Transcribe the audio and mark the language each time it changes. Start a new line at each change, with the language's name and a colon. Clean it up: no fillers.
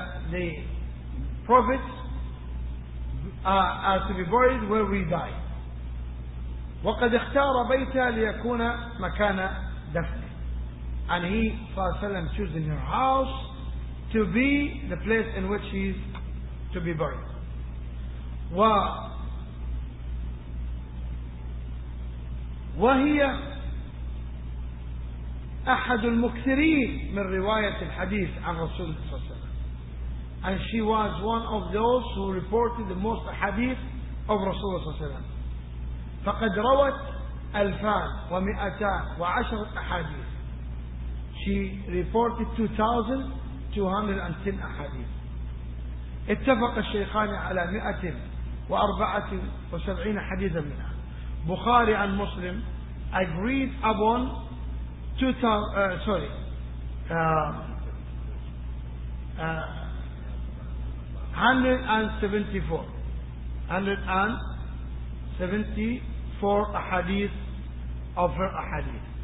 English: The prophets are to be buried where we die.
Arabic: وقد اختار بيته ليكون مكان دفنه.
English: And he, Fasallam, choosing her house to be the place in which he is to be buried.
Arabic: وهي أحد المكثرين من رواية الحديث عن رسول الله صلى الله عليه وسلم.
English: And she was one of those who reported the most hadith of رسول الله صلى الله عليه وسلم.
Arabic: فقد روت 2,210 أحاديث.
English: She reported 2,210 أحاديث.
Arabic: اتفق الشيخان على 174 حديثا منها. بخاري عن مسلم
English: agreed upon 174 أحاديث of her أحاديث.